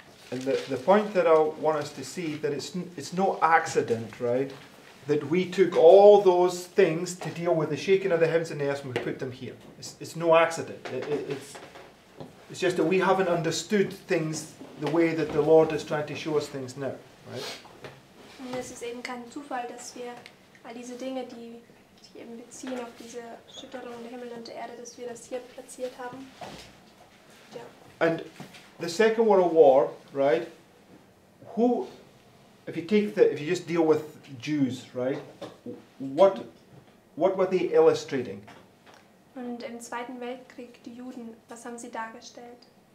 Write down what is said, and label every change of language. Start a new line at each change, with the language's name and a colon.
English: And the point that I want us to see that it's no accident, right, that we took all those things to deal with the shaking of the heavens and the earth and we put them here. It's no accident. It's just that we haven't understood things the way that the Lord is trying to show us things now, right?
German: Und es ist eben kein Zufall, dass wir all diese Dinge, die sich eben beziehen auf diese Schütterung der Himmel und der Erde, dass wir das hier platziert haben. Ja.
English: And the Second World War, right? Who, if you just deal with Jews, right? What were they illustrating?
German: Und im Zweiten Weltkrieg die Juden, was haben sie dargestellt?